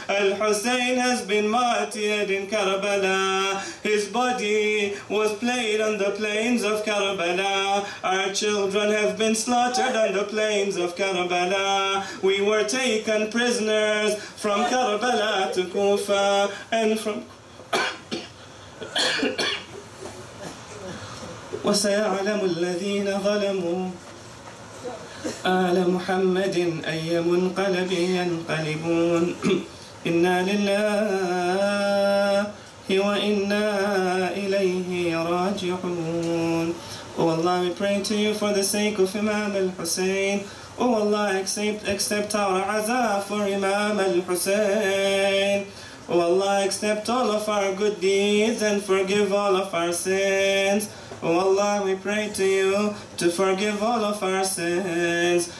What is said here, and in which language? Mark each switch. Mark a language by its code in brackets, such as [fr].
[en] Al-Hussein has been martyred in Karbala. His body was played on the plains of Karbala. Our children have been slaughtered on the plains of Karbala. We were taken prisoners from Karbala to Kufa and from [ar] وسيعلم الذين ظلموا آل محمد أي منقلب ينقلبون إنا لله وإنا إليه راجعون. [en] Oh Allah, we pray to you for the sake of Imam al-Hussein. Oh Allah, accept our aza for Imam al-Hussein. O Allah, accept all of our good deeds and forgive all of our sins. O Allah, we pray to you to forgive all of our sins.